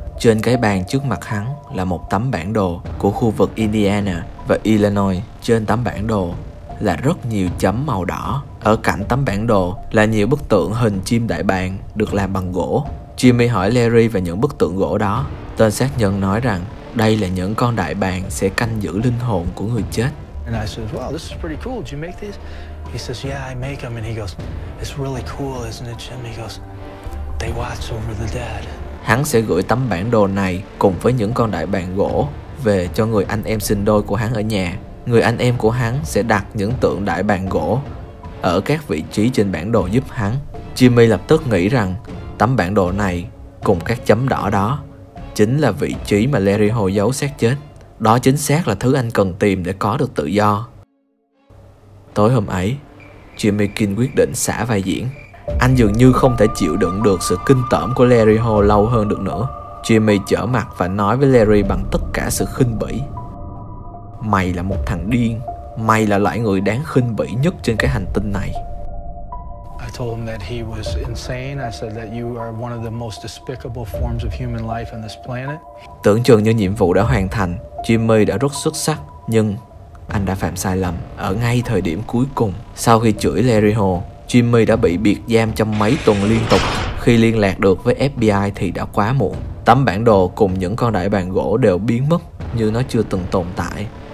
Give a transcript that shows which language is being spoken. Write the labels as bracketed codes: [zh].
[vi] Trên cái bàn trước mặt hắn là một tấm bản đồ của khu vực Indiana và Illinois. Trên tấm bản đồ là rất nhiều chấm màu đỏ. Ở cạnh tấm bản đồ là nhiều bức tượng hình chim đại bàng được làm bằng gỗ. Jimmy hỏi Larry về những bức tượng gỗ đó. Tên sát nhân nói rằng đây là những con đại bàng sẽ canh giữ linh hồn của người chết. [en] And I said, "Wow, this is pretty cool. Did you make these?" He says, "Yeah, I make them." And he goes, "It's really cool, isn't it, Jim?" He goes, "They watch over the dead." [vi] Hắn sẽ gửi tấm bản đồ này cùng với những con đại bàng gỗ về cho người anh em sinh đôi của hắn ở nhà. Người anh em của hắn sẽ đặt những tượng đại bàng gỗ ở các vị trí trên bản đồ giúp hắn. Jimmy lập tức nghĩ rằng tấm bản đồ này cùng các chấm đỏ đó chính là vị trí mà Larry Hall giấu xác chết. Đó chính xác là thứ anh cần tìm để có được tự do. Tối hôm ấy, Jimmy Kim quyết định xả vai diễn. Anh dường như không thể chịu đựng được sự kinh tởm của Larry Hall lâu hơn được nữa. Jimmy trở mặt và nói với Larry bằng tất cả sự khinh bỉ: "Mày là một thằng điên. Mày là loại người đáng khinh bỉ nhất trên cái hành tinh này." [en] I told him that he was insane. I said that you are one of the most despicable forms of human life on this planet. [vi] Tưởng chừng như nhiệm vụ đã hoàn thành, Jimmy đã rất xuất sắc, nhưng anh đã phạm sai lầm ở ngay thời điểm cuối cùng. Sau khi chửi Larry Hall, Jimmy đã bị biệt giam trong mấy tuần liên tục. Khi liên lạc được với FBI thì đã quá muộn. Tấm bản đồ cùng những con đại bàng gỗ đều biến mất như nó chưa từng tồn tại.